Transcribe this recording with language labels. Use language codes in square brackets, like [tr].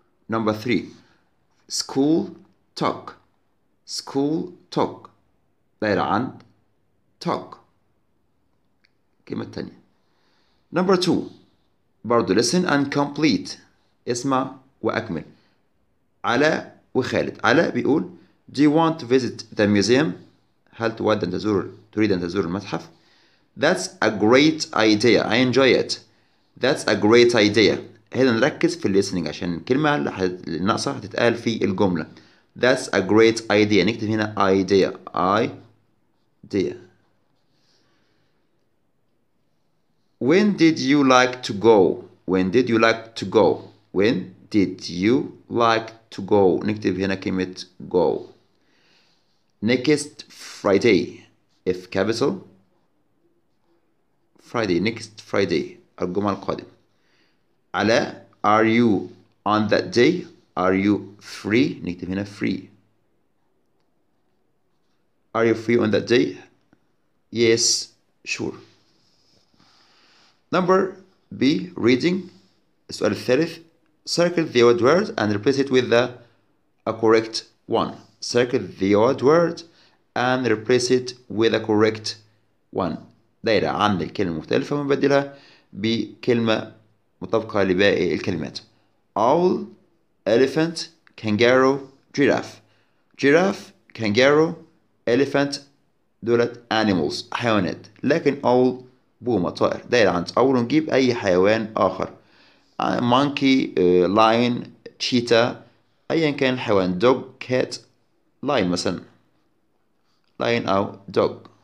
[ar] نمبر 3 سكول توك، سكول توك دايرة عند توك. كلمة تانية نمبر 2 برضو [en] listen and complete، [ar] اسمع واكمل. [en] علاء وخالد، علاء بيقول Do you want to visit the museum؟ [ar] هل تود أن تزور تريد أن تزور المتحف؟ [en] That's a great idea، I enjoy it، That's a great idea. [ar] هنا نركز في listening عشان الكلمة اللي ناقصة هتتقال في الجملة. [en] That's a great idea، [ar] نكتب هنا [en] idea، idea. When did you like to go؟ When did you like to go؟ When did you like to go؟ [ar] نكتب هنا كلمة [en] go. Next Friday، F capital، Friday، next Friday [ar] الجمعة القادمة. [en] علاء، are you on that day؟ Are you free؟ [ar] نكتب هنا [en] free. Are you free on that day؟ Yes sure. Number B reading، [ar] السؤال الثالث، [en] circle the odd word and replace it with a correct one. Circle the odd word and replace it with a correct one. [ar] دايرة عند الكلمة المختلفة ونبدلها بكلمة مطابقة لباقي الكلمات. [en] Owl، elephant، kangaroo، giraffe. Giraffe، kangaroo، elephant دولت animals، حيوانات. [ar] لكن owl بومة، طائر. دايرة عند owl نجيب أي حيوان آخر. [en] Monkey، lion، cheetah، [ar] أيا كان الحيوان، [en] dog، cat، lion مثلا، lion أو dog.